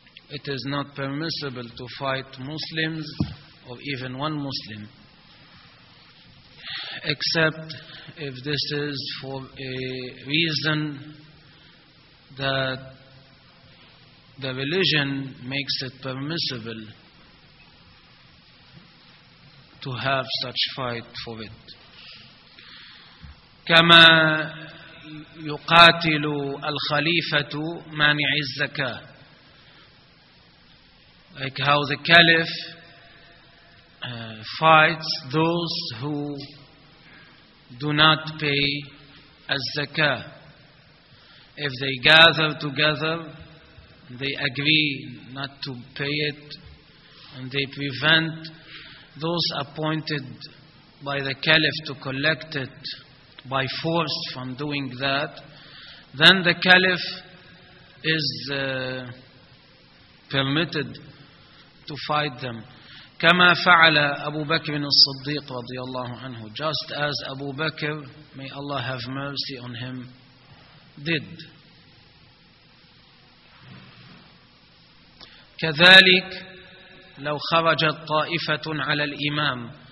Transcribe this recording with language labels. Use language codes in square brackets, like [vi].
[en] It is not permissible to fight Muslims or even one Muslim except if this is for a reason that the religion makes it permissible to have such fight for it. [ar] كما يقاتل الخليفة مانع الزكاة. [en] Like how the caliph fights those who do not pay az-zakah. If they gather together, they agree not to pay it, and they prevent those appointed by the caliph to collect it by force from doing that, then the caliph is permitted to fight them. [ar] كما فعل أبو بكر الصديق رضي الله عنه. [en] Just as Abu Bakr, may Allah have mercy on him, did. [ar] كذلك لو خرجت طائفة على الإمام.